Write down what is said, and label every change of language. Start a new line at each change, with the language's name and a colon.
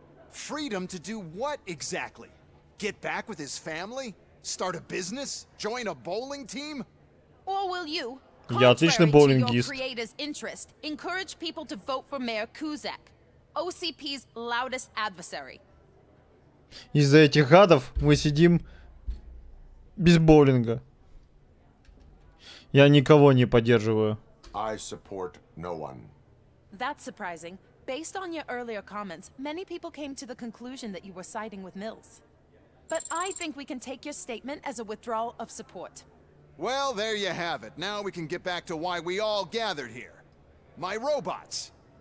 English: Freedom to do what exactly? Get back with his family? Start a business? Join a bowling team? Or will you, contrary to your creator's interest, encourage people to vote for Mayor Kuzak, OCP's loudest adversary?
Russian: Из-за этих гадов мы сидим без боулинга. Я никого не поддерживаю.
English: I support no one. That's surprising. Based on your earlier comments, many people came to the conclusion that you were siding with Mills. But I think we can take your statement as a withdrawal of support. Well, there you have it. Now we can get back to why we all gathered here. My robots.